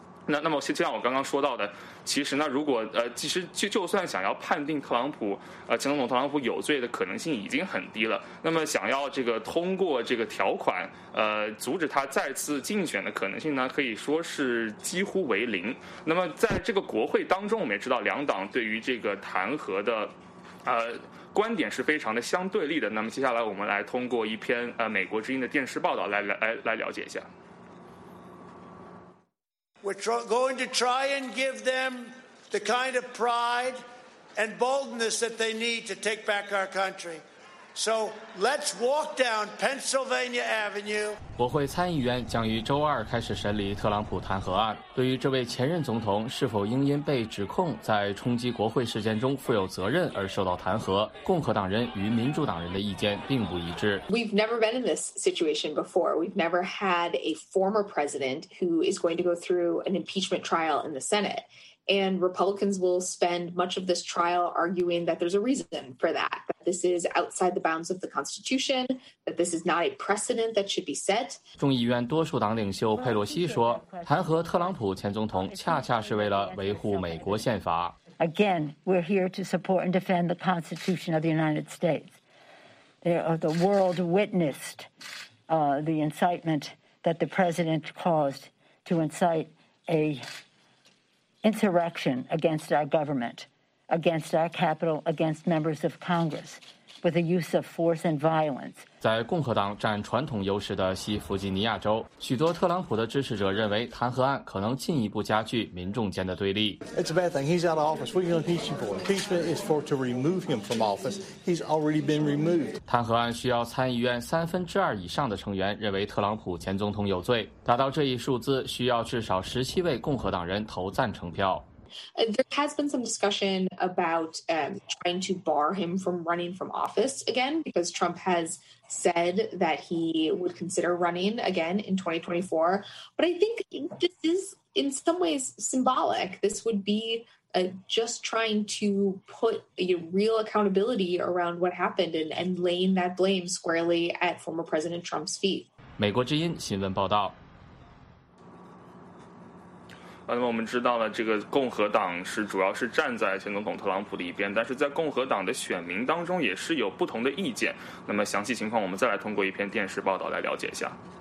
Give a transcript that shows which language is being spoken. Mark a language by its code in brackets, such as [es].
[zh] 那么就像我刚刚说到的，其实呢，如果其实就算想要判定特朗普前总统特朗普有罪的可能性已经很低了，那么想要这个通过这个条款阻止他再次竞选的可能性呢，可以说是几乎为零。那么在这个国会当中，我们也知道两党对于这个弹劾的观点是非常的相对立的。那么接下来我们来通过一篇美国之音的电视报道来了解一下。 [en] We're going to try and give them the kind of pride and boldness that they need to take back our country. So let's walk down Pennsylvania Avenue. [zh] 国会参议员将于周二开始审理特朗普弹劾案。对于这位前任总统是否应因被指控在冲击国会事件中负有责任而受到弹劾，共和党人与民主党人的意见并不一致。 [en] We've never been in this situation before. We've never had a former president who is going to go through an impeachment trial in the Senate. And Republicans will spend much of this trial arguing that there's a reason for that, that this is outside the bounds of the Constitution, that this is not a precedent that should be set. [zh] 众议院多数党领袖佩洛西说，弹劾特朗普前总统恰恰是为了维护美国宪法。 [en] Again, we're here to support and defend the Constitution of the United States. The world witnessed the incitement that the president caused to incite an insurrection against our government, against our capital, against members of Congress, with the use of force and violence. [zh] 在共和党占传统优势的西弗吉尼亚州，许多特朗普的支持者认为弹劾案可能进一步加剧民众间的对立。 [en] It's a bad thing. He's out of office. We're going to impeach him for impeachment is for to remove him from office. He's already been removed. [zh] 弹劾案需要参议院2/3以上的成员认为特朗普前总统有罪，达到这一数字需要至少17位共和党人投赞成票。 [en] There has been some discussion about trying to bar him from running from office again, because Trump has said that he would consider running again in 2024. But I think this is in some ways symbolic. This would be just trying to put real accountability around what happened and laying that blame squarely at former President Trump's feet. [zh] 美国之音新闻报道。那么我们知道了，这个共和党是主要是站在前总统特朗普的一边，但是在共和党的选民当中也是有不同的意见。那么详细情况，我们再来通过一篇电视报道来了解一下。